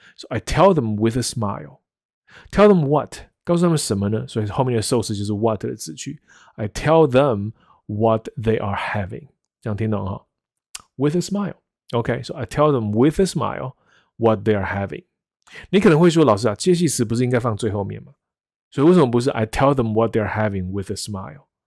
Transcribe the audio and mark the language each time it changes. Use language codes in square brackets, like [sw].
[en] So I tell them with a smile， tell them what， [zh] 告诉他们什么呢？所以后面的受词就是 what 的子句。 [en] I tell them what they are having， [zh] 这样听懂哈 [en] ？With a smile， OK， so I tell them with a smile what they are having。 [zh] 你可能会说，老师啊，介系词不是应该放最后面吗？所以为什么不是 [en] I tell them what they're having with a smile？